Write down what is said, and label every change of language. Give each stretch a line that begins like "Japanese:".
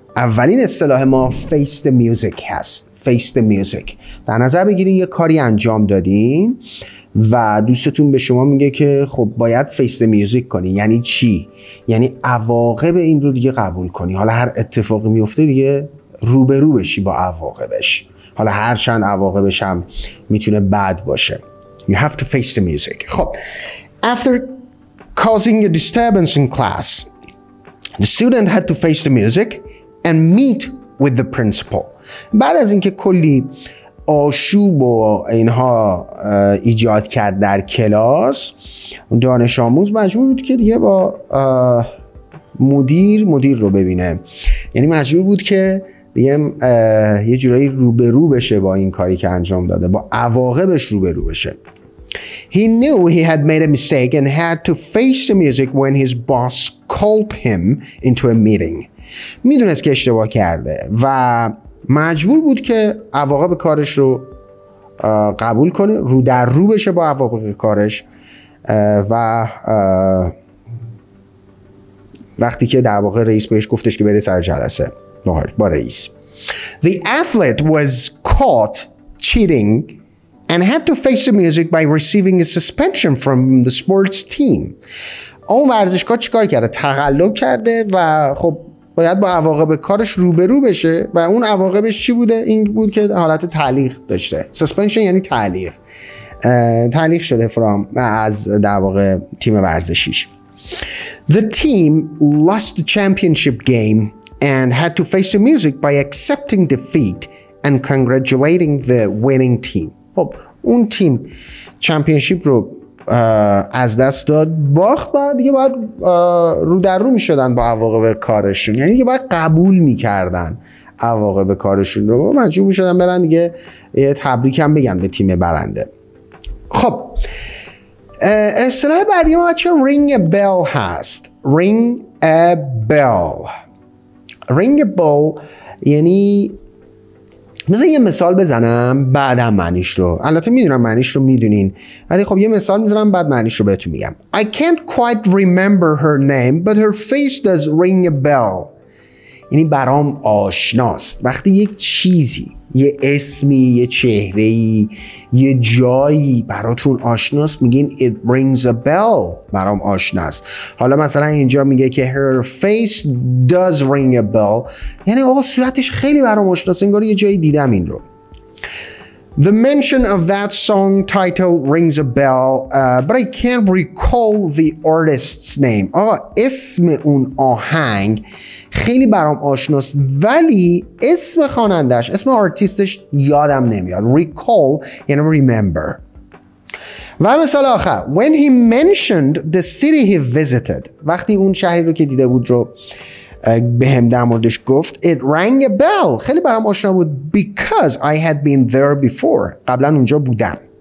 Persian: اولین اصطلاح ما فیس د میوزیک هست. فیس د میوزیک، در نظر بگیرین یه کاری انجام دادین و دوستتون به شما میگه که خب باید فیس د میوزیک کنی. یعنی چی؟ یعنی عواقب این رو دیگه قبول کنی. حالا هر اتفاقی میفته دیگه روبرو بشی با عواقبش، حالا هر چند عواقبش هم میتونه بد باشه.
English: You have to face the music. خب، after causing a disturbance in class, the student had to face the music and meet with the principal.
Persian: بعد از اینکه کلی آشوب و اینها ایجاد کرد در کلاس، دانش آموز مجبور بود که دیگه با مدیر رو ببینه. یعنی مجبور بود که دیگه یه جورایی روبرو بشه با این کاری که انجام داده، با عواقبش روبرو بشه.
English: He knew he had made a mistake and had to face the music when his boss called him into a meeting.
Persian: میدونست که اشتباه کرده و مجبور بود که عواقب کارش رو قبول کنه، رو در رو بشه با عواقب کارش، و وقتی که در واقع رئیس بهش گفتش که بره سر جلسه باهاش، با رئیس.
English: The athlete was caught cheating and had to face the music by receiving a suspension from the sports team.
Persian: اون ورزشکار چیکار کرده؟ تقلب کرده و خب باید با عواقب کارش روبرو بشه، و اون عواقبش چی بوده؟ این بود که حالت تعلیق داشته. suspension یعنی تعلیق. تعلیق شده from از در واقع تیم ورزشیش.
English: The team lost the championship game and had to face the music by accepting defeat and congratulating the winning team.
Persian: خب اون تیم چمپیونشیپ رو از دست داد، باخت، بعد دیگه باید رو در رو میشدن با عواقب کارشون، یعنی دیگه باید قبول میکردن عواقب کارشون رو، مجبور میشدن برن دیگه یه تبریک هم بگن به تیم برنده. خب اصطلاح بعدی ما بچه رینگ بل هست. رینگ بل، رینگ بل یعنی مثلا یه مثال بزنم بعدم معنیش رو، البته میدونم معنیش رو میدونین، ولی خب یه مثال میزنم بعد معنیش رو بهتون میگم.
English: I can't quite remember her name but her face does ring a bell.
Persian: یعنی برام آشناست. وقتی یک چیزی، یه اسمی، یه چهره‌ای، یه جایی براتون آشناست، میگین
English: it rings a bell،
Persian: برام آشناست. حالا مثلا اینجا میگه که
English: her face does ring a bell،
Persian: یعنی آقا صورتش خیلی برام آشناست، انگار یه جایی دیدم این رو.
English: The mention of that song title rings a bell but I can't recall the artist's name.
Persian: آقا اسم اون آهنگ خیلی برام آشناست ولی اسم خواننده‌اش، اسم آرتیستش یادم نمیاد.
English: recall یعنی remember.
Persian: و مثال آخر،
English: when he mentioned the city he visited،
Persian: وقتی اون شهری رو که دیده بود رو به هم در موردش گفت،
English: it rang a bell،
Persian: خیلی برام آشنا بود،
English: because I had been there before،
Persian: قبلا اونجا بودم.